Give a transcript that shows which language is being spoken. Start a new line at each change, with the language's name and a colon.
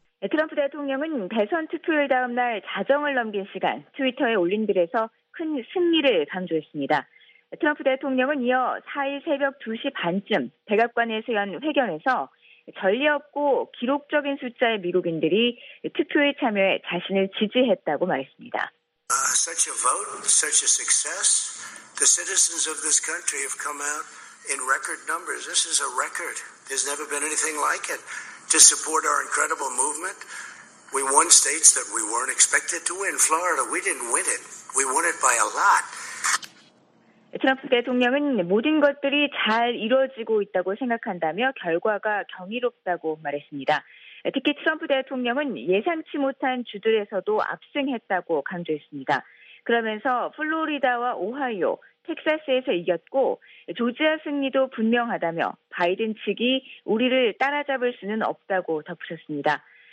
Korean: 트럼프 대통령은 대선 투표일 다음 날 자정을 넘긴 시간 트위터에 올린 글에서 큰 승리를 강조했습니다. 트럼프 대통령은 이어 4일 새벽 2시 반쯤 백악관에서 연 회견에서 전례 없고 기록적인 숫자의 미국인들이 투표에 참여해 자신을 지지했다고 말했습니다.
English: Such a vote, such a success. The citizens of this country have come out in record numbers. This is a record. There's never been anything like it. To support our incredible movement, we won states that we weren't expected to win. Florida, we didn't win it. We won it by a lot.
Korean: 트럼프 대통령은 모든 것들이 잘 이루어지고 있다고 생각한다며 결과가 경이롭다고 말했습니다. 특히 트럼프 대통령은 예상치 못한 주들에서도 압승했다고 강조했습니다. 그러면서 플로리다와 오하이오, 텍사스에서 이겼고 조지아 승리도 분명하다며 바이든 측이 우리를 따라잡을 수는 없다고 덧붙였습니다.